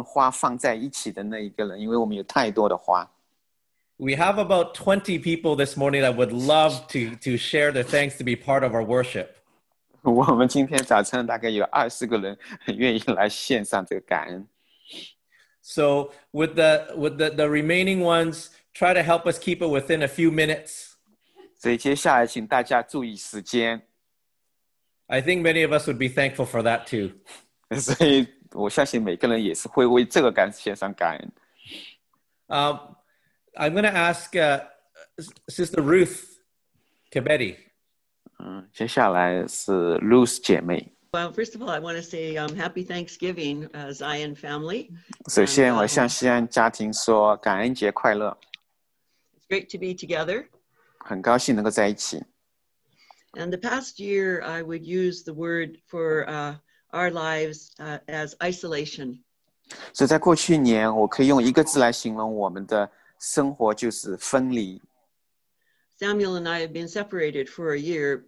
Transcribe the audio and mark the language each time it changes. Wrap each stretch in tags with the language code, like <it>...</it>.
<zh>所以我觉得我就像花店里面把各种花放在一起的那一个人，因为我们有太多的花。</zh> <en>We have about 20 people this morning that would love to share their thanks to be part of our worship.</en> <zh>我们今天早晨大概有20个人愿意来献上这个感恩。</zh> <en>So with the remaining ones, try to help us keep it within a few minutes.</en> <zh>所以接下来请大家注意时间。</zh> <en>I think many of us would be thankful for that too.</en> <zh>所以我相信每个人也是会为这个献上感恩。</zh> <en>I'm going to ask Sister Ruth Kibetti.</en> <zh>接下来是Ruth姐妹。</zh> <en>Well, first of all, I want to say happy Thanksgiving, Zion family.</en> <zh>首先我向西安家庭说感恩节快乐。</zh> <en>It's great to be together.</en> <zh>很高兴能够在一起。</zh> <en>And the past year, I would use the word for our lives as isolation.</en> <zh>所以在过去年，我可以用一个字来形容我们的生活，就是分离。</zh> <en>Samuel and I have been separated for a year.</en>